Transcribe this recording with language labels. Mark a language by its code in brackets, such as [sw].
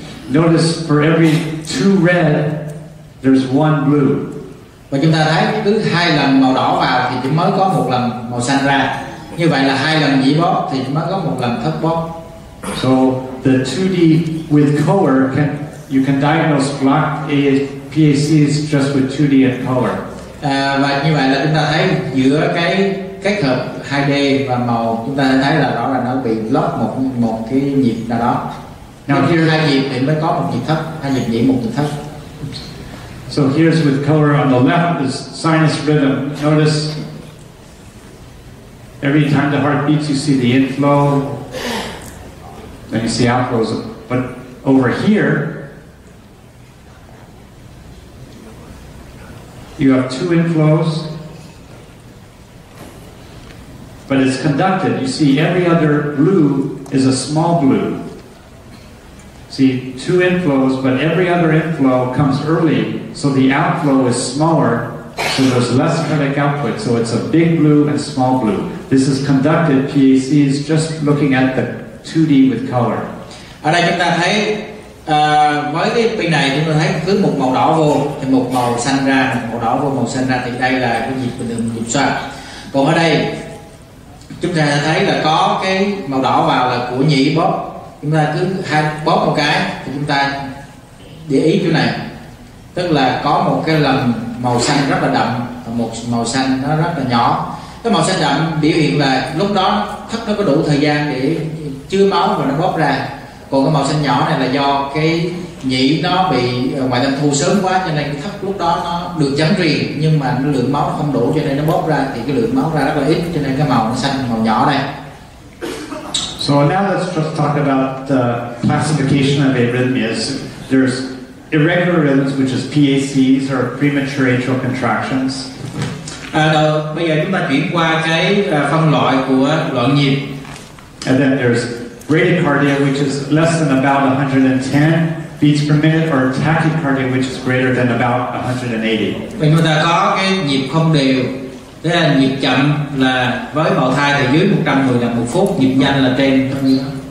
[en] Notice for every two red, there's one blue. [vi] Và chúng ta thấy cứ hai lần màu đỏ vào thì chỉ mới có một lần màu xanh ra. Như vậy là hai lần nhĩ bóp thì chỉ mới có một lần thất bóp. [en] So the 2D with color you can diagnose blocked PACs just with 2D and color. [vi] Và như vậy là chúng ta thấy giữa cái kết hợp 2D và màu chúng ta thấy là đó là nó bị block một cái nhịp nào đó. Now khi hai nhịp thì mới có một nhịp thấp, hai nhịp nhĩ một nhịp thấp. [en] So here's with color on the left is sinus rhythm. Notice every time the heart beats, you see the inflow. Then you see outflows. But over here, you have two inflows, but it's conducted. You see every other blue is a small blue. See, two inflows, but every other inflow comes early, so the outflow is smaller, so there's less cardiac output. So it's a big blue and small blue. This is conducted PAC, is just looking at the 2D with color. [vi] Ở đây chúng ta thấy, với cái pin này chúng ta thấy cứ một màu đỏ vô, thì một màu xanh ra, một màu đỏ vô, màu xanh ra, thì đây là cái nhịp bình thường, nhịp xoay. Còn ở đây, chúng ta thấy là có cái màu đỏ vào là của nhĩ bóp. Chúng ta cứ hai bóp một cái thì chúng ta để ý chỗ này, tức là có một cái lần màu xanh rất là đậm và một màu xanh nó rất là nhỏ. Cái màu xanh đậm biểu hiện là lúc đó thất nó có đủ thời gian để chứa máu và nó bóp ra, còn cái màu xanh nhỏ này là do cái nhĩ nó bị ngoại tâm thu sớm quá cho nên thất lúc đó nó được chấn truyền nhưng mà lượng máu không đủ cho nên nó bóp ra, thì cái lượng máu ra rất là ít cho nên cái màu nó xanh màu nhỏ này. [en] So now let's just talk about the classification of arrhythmias. There's irregular rhythms, which is PACs or premature atrial contractions. [vi] Bây giờ chúng ta chuyển qua cái phân loại của loạn nhịp. [en] And then there's bradycardia, which is less than about 110 beats per minute, or tachycardia, which is greater than about 180. [vi] Chúng ta có cái nhịp không đều Thế là nhịp chậm là với bào thai thì dưới 110 lần một phút, nhịp nhanh là trên 100 lần.